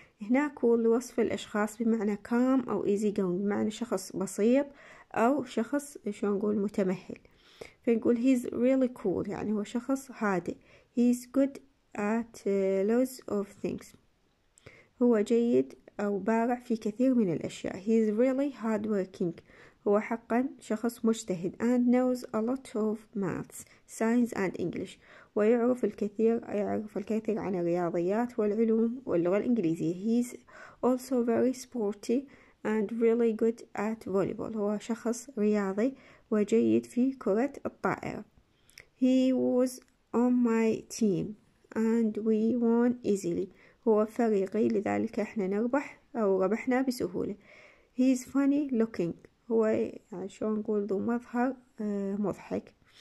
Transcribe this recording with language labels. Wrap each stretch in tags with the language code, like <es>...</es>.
<ar>هنا cool لوصف الأشخاص بمعنى calm أو</ar> <en>easy going</en> <ar>بمعنى شخص بسيط أو شخص شو نقول متمهل. فنقول</ar> <en>he is really cool</en> <ar>يعني هو شخص هادئ.</ar> <en>He is good at loads of things.</en> <ar>هو جيد أو بارع في كثير من الأشياء.</ar> <en>He is really hardworking.</en> <ar>هو حقا شخص مجتهد.</ar> <en>And knows a lot of maths, science and English.</en> <ar>ويعرف الكثير عن الرياضيات والعلوم واللغة الإنجليزية.</ar> <en>He is also very sporty and really good at volleyball.</en> <ar>هو شخص رياضي وجيد في كرة الطائرة.</ar> <en>He was on my team. And we won easily.</en> <ar>هو فريقي لذلك احنا نربح او ربحنا بسهولة.</ar> <en>He is funny looking.</en> <ar>هو يعني شو نقول ذو مظهر مضحك.</ar>